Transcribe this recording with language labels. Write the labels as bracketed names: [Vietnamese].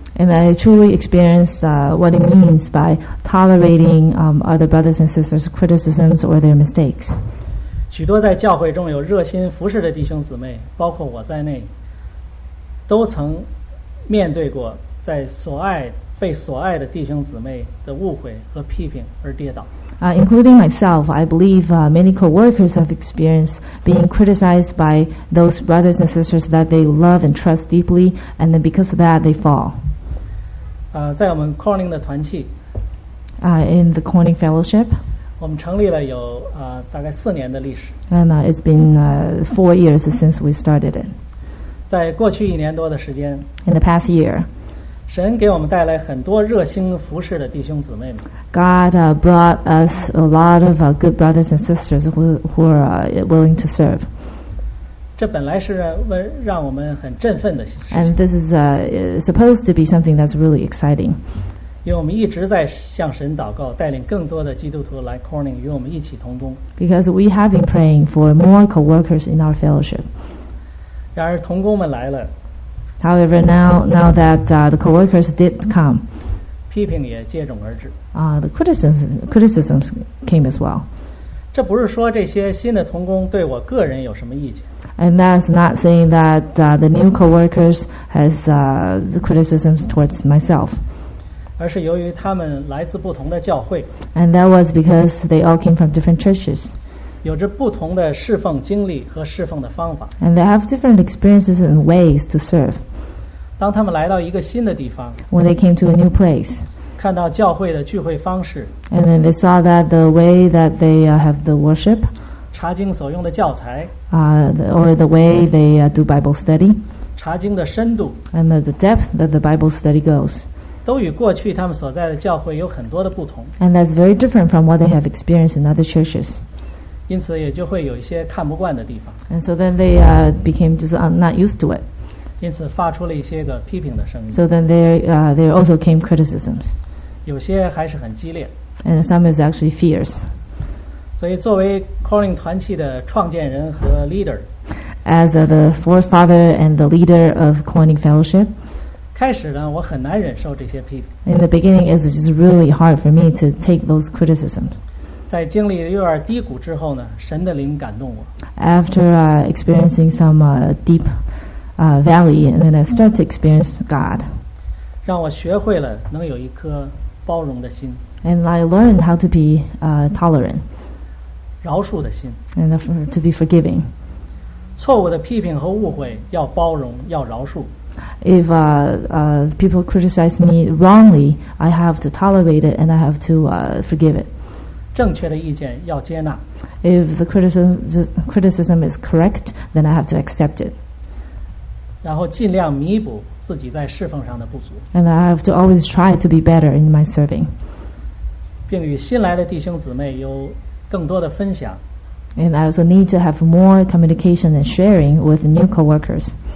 [English] And I truly experienced what it means by tolerating other brothers and sisters' criticisms or their mistakes. [Chinese] 许多在教会中有热心服侍的弟兄姊妹，包括我在内，都曾面对过在所爱被所爱的弟兄姊妹的误会和批评而跌倒。 [English] Including myself, I believe many co-workers have experienced being criticized by those brothers and sisters that they love and trust deeply, and then because of that, they fall. [Chinese] 在我们 Corning 的团契 [English] In the Corning Fellowship, [Chinese] 我们成立了有大概四年的历史。 [English] And it's been 4 years since we started it. [Chinese] 在过去一年多的时间 [English] In the past year, [Chinese] 神给我们带来很多热心服侍的弟兄姊妹们。 [English] God brought us a lot of good brothers and sisters who are willing to serve. [Chinese] 这本来是让我们很振奋的事情。 [English] And this is supposed to be something that's really exciting. [Chinese] 因为我们一直在向神祷告，带领更多的基督徒来 Corning 与我们一起同工。 [English] Because we have been praying for more co-workers in our fellowship. [Chinese] 然而同工们来了。 [English] However, now that the co-workers did come, [Chinese] 批评也接踵而至。 [English] The criticisms came as well. [Chinese] 这不是说这些新的同工对我个人有什么意见。 [English] And that's not saying that the new co-workers has the criticisms towards myself. [Chinese] 而是由于他们来自不同的教会。 [English] And that was because they all came from different churches. [Chinese] 有着不同的侍奉经历和侍奉的方法。 [English] And they have different experiences and ways to serve. [Chinese] 当他们来到一个新的地方 [English] When they came to a new place. [Chinese] 看到教会的聚会方式 [English] And then they saw that the way that they have the worship. [Chinese] 查经所用的教材 [English] Or the way they do Bible study. [Chinese] 查经的深度 [English] And the depth that the Bible study goes. [Chinese] 都与过去他们所在的教会有很多的不同。 [English] And that's very different from what they have experienced in other churches. [Chinese] 因此也就会有一些看不惯的地方。 [English] And so then they became just not used to it. [Chinese] 因此发出了一些个批评的声音。 [English] So then there also came criticisms. [Chinese] 有些还是很激烈。 [English] And some is actually fierce. [Chinese] 所以作为 Calling 团契的创建人和 leader, [English] as the forefather and the leader of Calling Fellowship, [Chinese] 开始呢我很难忍受这些批评。 [English] In the beginning, it is really hard for me to take those criticisms. [Chinese] 在经历有点低谷之后呢，神的灵感动我。 [English] After experiencing some deep valley, and then I start to experience God, [Chinese] 让我学会了能有一颗包容的心。 [English] And I learned how to be tolerant. [Chinese] 饶恕的心 [English] and to be forgiving. [Chinese] 错误的批评和误会要包容，要饶恕。 [English] If people criticize me wrongly, I have to tolerate it and I have to forgive it. [Chinese] 正确的意见要接纳。 [English] If the criticism is correct, then I have to accept it. [Chinese] 然后尽量弥补自己在侍奉上的不足。 [English] And I have to always try to be better in my serving. [Chinese] 并与新来的弟兄姊妹有更多的分享 [English] and I also need to have more communication and sharing with new co-workers